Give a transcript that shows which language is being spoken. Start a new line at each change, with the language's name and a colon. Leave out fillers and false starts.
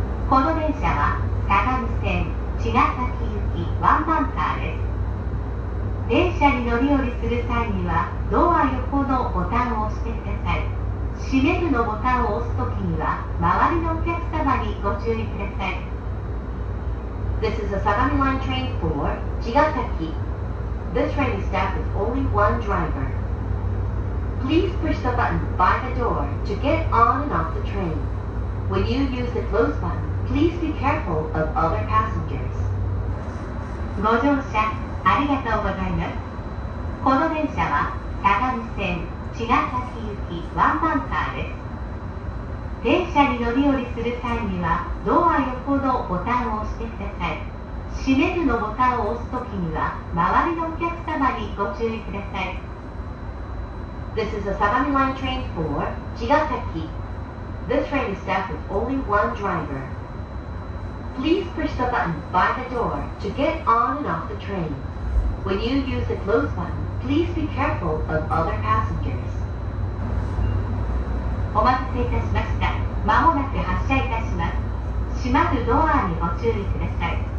Japanese: この電車は相模線茅ヶ崎行きワンマンカーです。電車に乗り降りする際にはドア横のボタンを押してください。閉めるのボタンを押すときには周りのお客様にご注意ください。
English: This is a 相模 line train for 茅ヶ崎。 This train is staffed with only one driver. Please push the button by the door to get on and off the train. When you use the close button, please be careful of other passengers.
Japanese: ご乗車ありがとうございます。この電車は相模線茅ヶ崎行きワンマンカーです。電車に乗り降りする際にはドア横のボタンを押してください。閉めるのボタンを押すときには周りのお客様にご注意ください。
English: This is a 相模 line train for 茅ヶ崎。 This train is staffed with only one driver. Please push the button by the door to get on and off the train. When you use the close button, please be careful of other passengers.
Japanese: お待たせいたしました。まもなく発車いたします。閉まるドアにご注意ください。